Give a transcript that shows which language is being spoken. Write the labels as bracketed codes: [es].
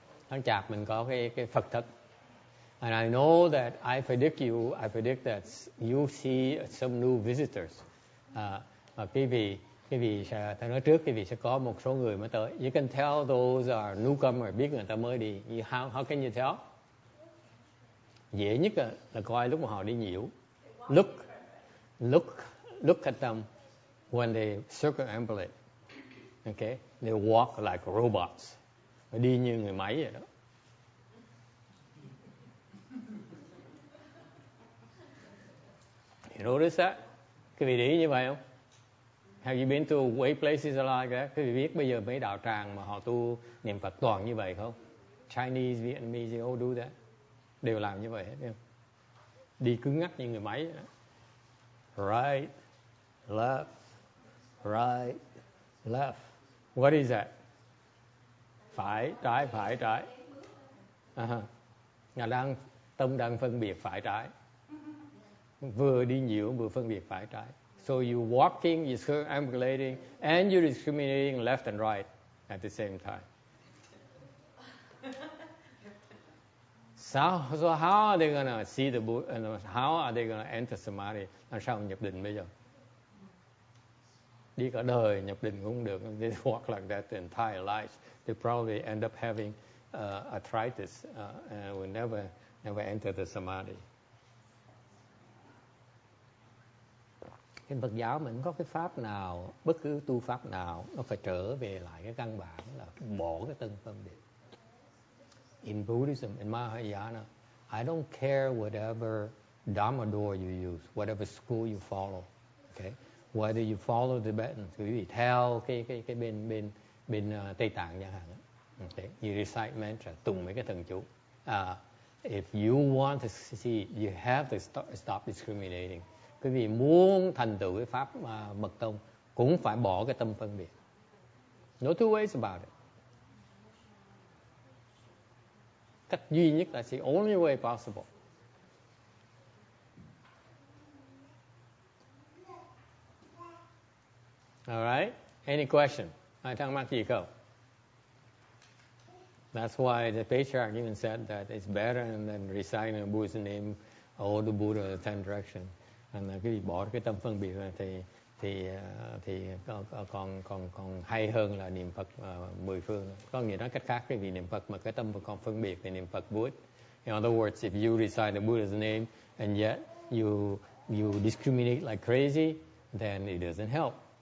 [vi] Tháng chạp mình có cái Phật thất. [en] And I know that I predict that you see some new visitors. [vi] Quý vị sẽ, ta nói trước, quý vị sẽ có một số người mới tới. [en] You can tell those are newcomers, [vi] biết người ta mới đi. [en] How can you tell? [vi] Dễ nhất là coi lúc mà họ đi nhiễu. [en] Look at them when they circumambulate. Okay? They walk like robots. [vi] Đi như người máy vậy đó. [en] You notice that? [vi] Quý vị để ý như vậy không? [en] Have you been to way places like that? [vi] Quý vị biết bây giờ mấy đạo tràng mà họ tu niệm Phật toàn như vậy không? [en] Chinese, Vietnamese, they all do that. [vi] Đều làm như vậy hết, không? Đi cứng ngắc như người máy. [en] Right, left, right, left. What is that? [vi] Phải, trái, phải, trái. Nhà đang, tâm đang phân biệt phải, trái. Vừa đi nhiều vừa phân biệt phải, trái. [en] So you walking, you're circumambulating, and you're discriminating left and right at the same time. So how are they gonna see the Buddha? How are they gonna enter samadhi? [vi] Làm sao nhập định bây giờ? Đi cả đời nhập định cũng được. [en] They walk like that the entire life. They probably end up having arthritis and will never enter the samadhi. [vi] Thì Phật giáo mình có cái pháp nào, bất cứ tu pháp nào, nó phải trở về lại cái căn bản là bỏ cái tâm phân biệt. [en] In Buddhism, in Mahayana, I don't care whatever Dharma door you use, whatever school you follow, okay? Whether you follow the Tibetan, [vi] quý vị theo cái bên bên bên Tây Tạng chẳng hạn, okay? [en] You recite mantra, [vi] tụng mấy cái thần chú. [en] If you want to see, you have to stop discriminating. [vi] Quý vị muốn thành tựu cái pháp mật tông cũng phải bỏ cái tâm phân biệt. [en] No two ways about it. [vi] Cách duy nhất là [en] the only way possible. Alright, any question? [vi] Ai thắc mắc gì không? [en] That's why the patriarch even said that it's better than reciting a Buddha's name, all the Buddha, the 10 directions. [vi] And cái gì bỏ cái tâm phân biệt thì còn hay hơn là niệm Phật mười phương. Có nghĩa nói cách khác, cái vị niệm Phật mà cái tâm còn phân biệt thì niệm Phật vô ích. [en] In other words, if you recite the Buddha's name and yet you discriminate like crazy, then it doesn't help.